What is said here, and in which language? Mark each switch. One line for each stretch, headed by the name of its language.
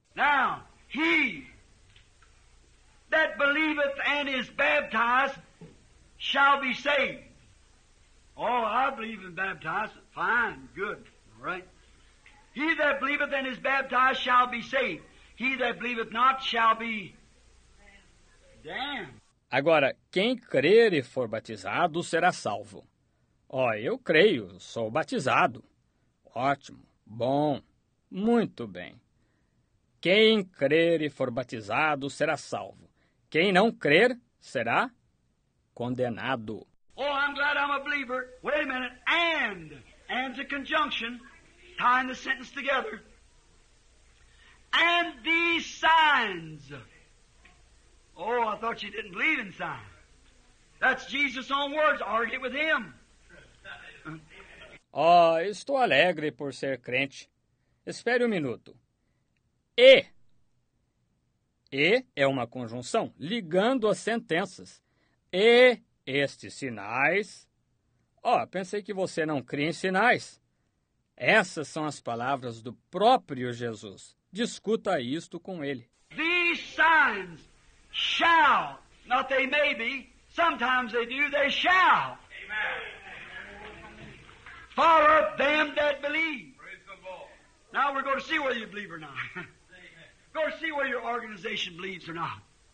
English: Now, he that believeth and is baptized shall be saved. Oh, I believe in baptized. Fine, good, right. He that believeth and is baptized shall be saved. He that believeth not shall be damned.
Portuguese: Agora, quem crer e for batizado será salvo. Ó, eu creio, sou batizado. Ótimo, bom, muito bem. Quem crer e for batizado será salvo. Quem não crer será condenado.
English: Oh, I'm glad I'm a believer. Wait a minute. And's a conjunction, tying the sentence together. And these signs. Oh, I thought you didn't believe in signs. That's Jesus' own words. Argue with him.
Portuguese: Oh, estou alegre por ser crente. Espere um minuto. E é uma conjunção ligando as sentenças. E estes sinais. Oh, pensei que você não cria em sinais. Essas são as palavras do próprio Jesus. Discuta isto com ele.
English: These signs shall, not they may be, sometimes they do, they shall. Amen. Follow them that believe. Praise the Lord. Now we're going to see whether you believe or not. Go to see whether your organization believes or not.